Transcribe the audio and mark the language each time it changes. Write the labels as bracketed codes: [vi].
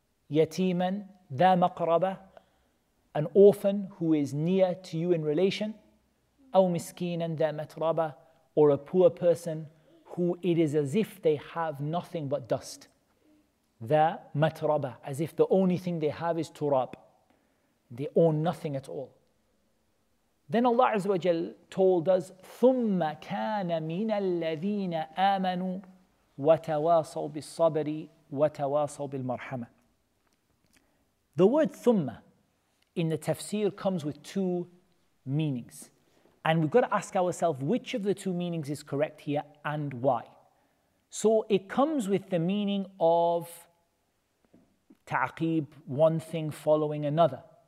[ar] يَتِيمًا ذَا مَقْرَبَةً, [en] an orphan who is near to you in relation, [ar] أَوْ مِسْكِينًا ذَا مَتْرَبَةً, [en] or a poor person who it is as if they have nothing but dust. The matraba, as if the only thing they have is turab. They own nothing at all. Then Allah Azza wa Jal told us, [ar] ثُمَّ كَانَ مِنَ الَّذِينَ آمَنُوا وَتَوَاصَوْا بِالصَّبْرِ وَتَوَاصَوْا بِالْمَرْحَمَةِ. [en] The word ثُمَّ in the tafsir comes with two meanings. And we've got to ask ourselves which of the two meanings is correct here and why. So it comes with the meaning of ta'qib, one thing following another.